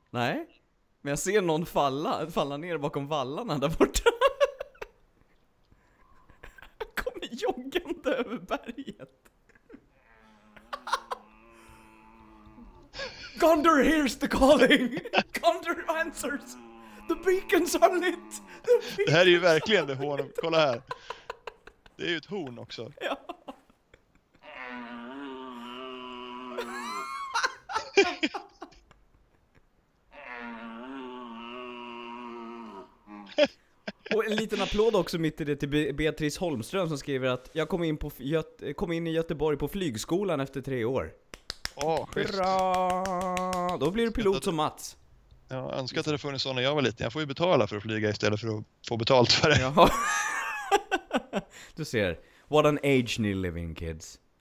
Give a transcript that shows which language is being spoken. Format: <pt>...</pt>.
<sv>Nej, men jag ser någon falla ner bakom vallarna där borta. Han kommer joggande över berget.</sv> <en>Gondor hears the calling. Gondor answers. The beacons are lit.</en> <sv>Det här är ju verkligen det hornet. Kolla här. Det är ju ett horn också. Ja. en liten applåd också mitt i det till Beatrice Holmström som skriver att jag kom in på kom in i Göteborg på flygskolan efter 3 år. Bra! Då blir du pilot som Mats. Jag önskar att det hade funnits så när jag var liten. Jag får ju betala för att flyga istället för att få betalt för det. Jaha. Du ser.</sv> <en>What an age</en> <sv>ni</sv> <en>living, kids.</en>